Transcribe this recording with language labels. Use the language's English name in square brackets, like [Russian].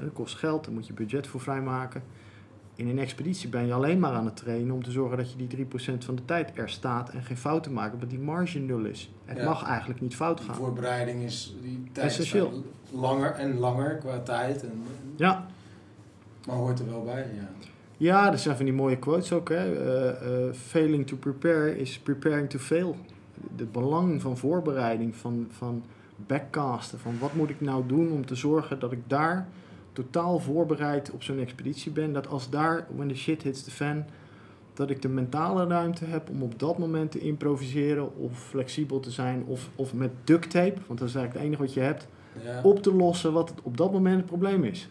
[Dutch] Dat kost geld, daar moet je budget voor vrijmaken. In een expeditie ben je alleen maar aan het trainen om te zorgen dat je die 3% van de tijd er staat en geen fouten maakt, omdat die marge nul is. Het mag eigenlijk niet fout gaan. Die voorbereiding is die tijd essentieel. Langer en langer qua tijd. Ja. Maar hoort er wel bij, ja. Ja, er zijn van die mooie quotes ook. Hè. [English] Failing to prepare is preparing to fail. [Dutch] De belang van voorbereiding, van backcasten, van wat moet ik nou doen om te zorgen dat ik daar totaal voorbereid op zo'n expeditie ben. Dat als daar, [English] when the shit hits the fan, [Dutch] dat ik de mentale ruimte heb om op dat moment te improviseren of flexibel te zijn of met duct tape, want dat is eigenlijk het enige wat je hebt, op te lossen wat op dat moment het probleem is.